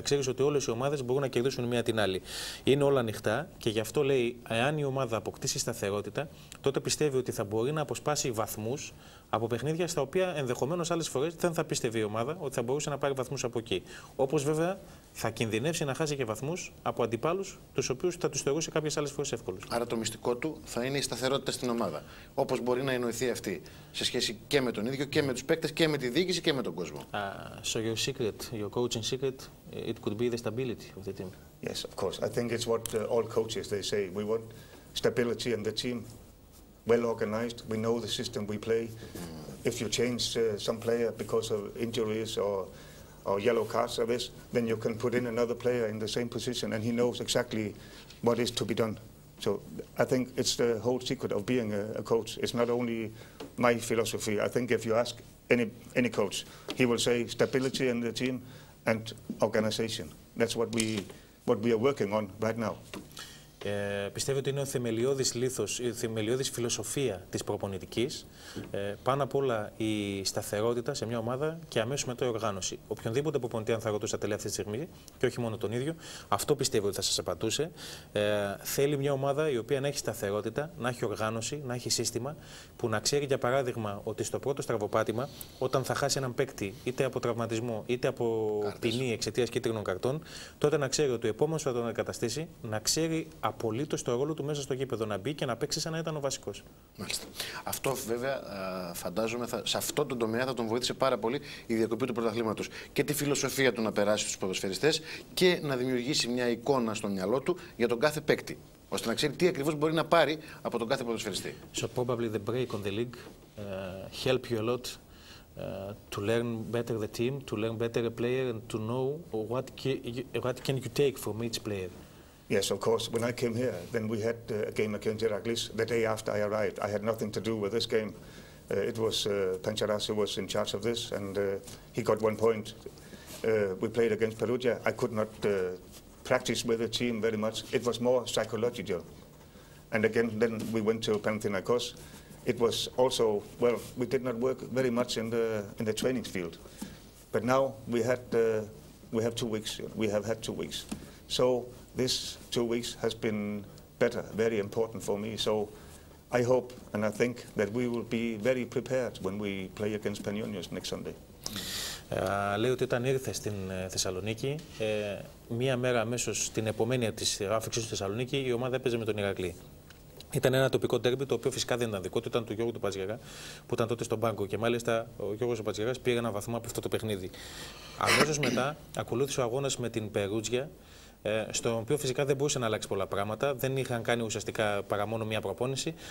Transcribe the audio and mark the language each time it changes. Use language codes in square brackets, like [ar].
[el] Ξέρεις ότι όλες οι ομάδες μπορούν να κερδίσουν μία την άλλη. Είναι όλα ανοιχτά και γι' αυτό λέει, εάν η ομάδα αποκτήσει σταθερότητα, τότε πιστεύει ότι θα μπορεί να αποσπάσει βαθμούς από παιχνίδια στα οποία ενδεχομένως άλλες φορές δεν θα πίστευε η ομάδα ότι θα μπορούσε να πάρει βαθμούς από εκεί. Όπως βέβαια θα κινδυνεύσει να χάσει και βαθμούς από αντιπάλους τους οποίους θα τους θεωρούσε κάποιες άλλες φορές εύκολους. Άρα το μυστικό του θα είναι η σταθερότητα στην ομάδα. Όπως μπορεί να εννοηθεί αυτή σε σχέση και με τον ίδιο και με τους παίκτες και με τη διοίκηση και με τον κόσμο. [en] So your secret, your coaching secret, it could be the stability of the team. Yes, of course. I think it's what all coaches they say. We want stability in the team. Well organized, we know the system we play. If you change some player because of injuries or yellow cards or this, then you can put in another player in the same position and he knows exactly what is to be done. So I think it's the whole secret of being a coach. It's not only my philosophy. I think if you ask any coach, he will say stability in the team and organization. That's what we are working on right now. [el] Πιστεύω ότι είναι ο θεμελιώδης λίθος, η θεμελιώδης φιλοσοφία της προπονητικής. Πάνω απ' όλα η σταθερότητα σε μια ομάδα και αμέσως μετά η οργάνωση. Οποιονδήποτε προπονητή, αν θα ρωτούσε τα τελευταία στιγμή, και όχι μόνο τον ίδιο, αυτό πιστεύω ότι θα σας απαντούσε. Θέλει μια ομάδα η οποία να έχει σταθερότητα, να έχει οργάνωση, να έχει σύστημα, που να ξέρει για παράδειγμα ότι στο πρώτο στραβοπάτημα, όταν θα χάσει έναν παίκτη είτε από τραυματισμό είτε από ποινή εξαιτίας κίτρινων καρτών, τότε να ξέρει ότι ο επόμενος θα τον αντικαταστήσει, να ξέρει απολύτως το ρόλο του μέσα στο γήπεδο να μπει και να παίξει σαν να ήταν ο βασικός. Μάλιστα. Αυτό βέβαια φαντάζομαι σε αυτό τον τομέα θα τον βοήθησε πάρα πολύ η διακοπή του πρωταθλήματος και τη φιλοσοφία του να περάσει στους ποδοσφαιριστές και να δημιουργήσει μια εικόνα στο μυαλό του για τον κάθε παίκτη, ώστε να ξέρει τι ακριβώς μπορεί να πάρει από τον κάθε ποδοσφαιριστή. [en] So probably the break on the league help you a lot to learn better the team, to learn better a player and to know what can you take from each player. Yes, of course. When I came here, then we had a game against Heracles the day after I arrived. I had nothing to do with this game. It was Pancharas who was in charge of this, and he got one point. We played against Perugia. I could not practice with the team very much. It was more psychological. And again, then we went to Panathinaikos. It was also, well, we did not work very much in the training field. But now we have 2 weeks. We have had 2 weeks. So this 2 weeks has been better, very important for me. So I hope and I think that we will be very prepared when we play against Panionios next Sunday. [el] Λέει ότι όταν ήρθε στην Θεσσαλονίκη, μία μέρα αμέσως την επομένη της άφηξης στη Θεσσαλονίκη, η ομάδα έπαιζε με τον Ηρακλή. Ήταν ένα τοπικό ντέρμπι, το οποίο φυσικά δεν ήταν δικό του, ήταν του Γιώργου του Πατζιαρά, που ήταν τότε στον πάγκο. Και μάλιστα ο Γιώργος ο Πατζιαράς πήρε ένα βαθμό από αυτό το παιχνίδι. Αμέσως μετά ακολούθησε ο αγώνας με την Περούτζια, στο οποίο φυσικά δεν μπορούσε να αλλάξει πολλά πράγματα, δεν είχαν κάνει ουσιαστικά παρά μόνο μία προπόνηση.